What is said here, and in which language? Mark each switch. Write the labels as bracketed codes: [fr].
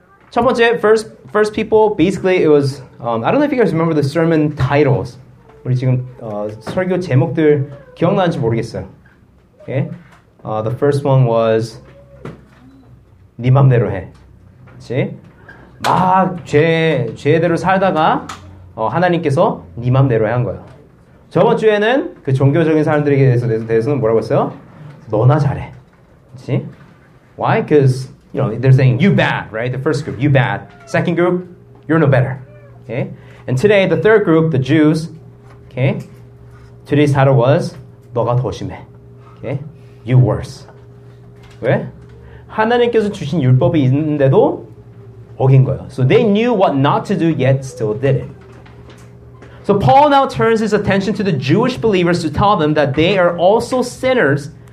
[ko] 첫 번째, [en] first people, basically it was, I don't know if you guys remember the sermon titles. [ko] 우리 지금 설교 제목들 기억나는지 모르겠어요. [en] Okay? The first one was, [ko] 네 맘대로 해. 그치? 막 죄대로 살다가 하나님께서 네 맘대로 해한 거야. 저번 주에는 그 종교적인 사람들에 대해서는 뭐라고 했어요? 너나 잘해. 그치? [en] Why? Because you know they're saying you bad, right? The first group, you bad. Second group, you're no better. Okay. And today, the third group, the Jews. Okay. Today's title was [ko] 너가 더 심해. [en] Okay. You worse. [ko] 왜? 하나님께서 주신 율법이 있는데도 어긴 거예요. [en] So they knew what not to do, yet still did it. So Paul now turns his attention to the Jewish believers to tell them that they are also sinners.